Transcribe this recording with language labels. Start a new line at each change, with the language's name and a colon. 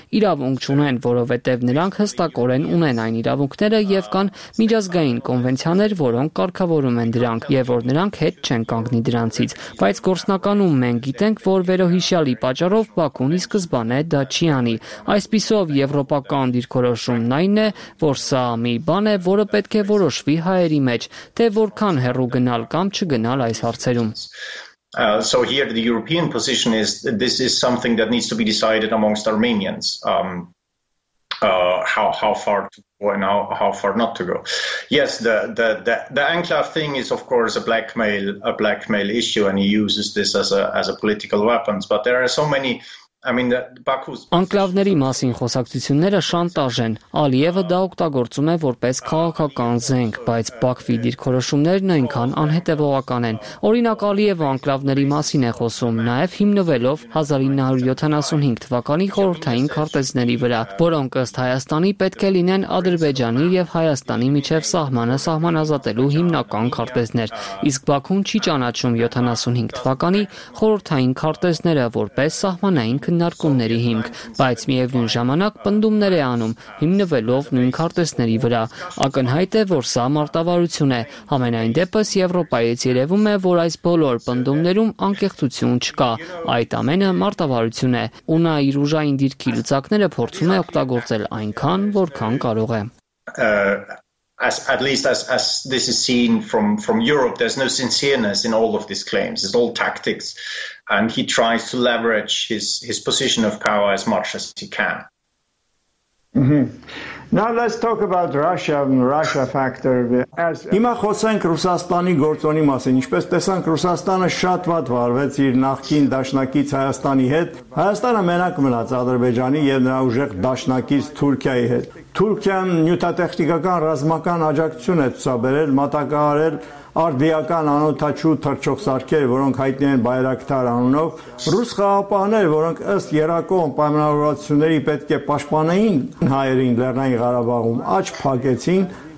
Armenian: իրավունք չունեն, որովհետև նրանք հստակորեն ունեն այն իրավունքները եւ կան միջազգային կոնվենցիաներ, որոնք կարգավորում են դրանք եւ որ նրանք հետ չեն կանգնի դրանցից, բայց գործնականում մենք գիտենք, որ վերոհիշյալի պատճառով Բաքուն ի սկզբանե դա չի անի, այսպիսով եվրոպական դիրքորոշումն այն է, որ սա մի բան է, որը պետք է որոշվի հայերի մեջ, թե որքան հեռու գնալ կամ չգնալ այս հարցերում։
English: So here the European position is that this is something that needs to be decided amongst Armenians. How far to go and how far not to go. Yes, the enclave thing is of course a blackmail issue, and he uses this as a political weapon, but there are so many
Armenian: Անկլավների մասին խոսակցությունները շանտաժ են։ Ալիևը դա օգտագործում է որպես քաղաքական զենք, բայց Բաքվի դիրքորոշումներն այնքան անհետևողական են։ Օրինակ Ալիևը անկլավների մասին է խոսում, նաև հիմնվելով 1975 թվականի խորհրդային քարտեզների վրա, որոնք ըստ Հայաստանի պետք է լինեն Ադրբեջանի եւ Հայաստանի միջև սահմանը սահմանազատելու հիմնական քարտեզներ, իսկ Բաքուն չի ճանաչում 75 թվականի խորհրդային քարտեզները որպես սահմանային քննարկումների հիմք, բայց միևնույն ժամանակ պնդումներ է անում հիմնվելով նույն քարտեզների վրա։ Ակնհայտ է, որ սա մարտավարություն է։ Համենայն դեպս Եվրոպայից երևում է, որ այս բոլոր պնդումներում անկեղծություն չկա, այդ ամենը մարտավարություն է, ու նա իր ուժային դիրքի լծակները փորձում է օգտագործել այնքան, որքան կարող է։
English: As this is seen from Europe, there's no sincereness in all of these claims. It's all tactics, and he tries to leverage his position of power as much as he can. Mm-hmm. Now let's talk about Russia and Russia factor.
Armenian: Հիմա խոսենք Ռուսաստանի գործոնի մասին։ Ինչպես տեսանք, Ռուսաստանը շատ վատ վարվեց իր նախկին դաշնակից Հայաստանի հետ։ Հայաստանը մենակ մնաց Ադրբեջանի եւ նրա ուժեղ դաշնակից Թուրքիայի հետ։ Թուրքիան նյութատեխնիկական ռազմական աջակցություն է ցուցաբերել, մատակարարել արդիական անօթաչու թռչող սարքեր, որոնք հայտնի են Բայրակտար անունով, ռուս խաղապահներ, որոնք ըստ երակողմ պայմանավորվածությունների պետք է պաշտպանային հայերին Լեռնային Ղարաբաղում, աչք փակեցին,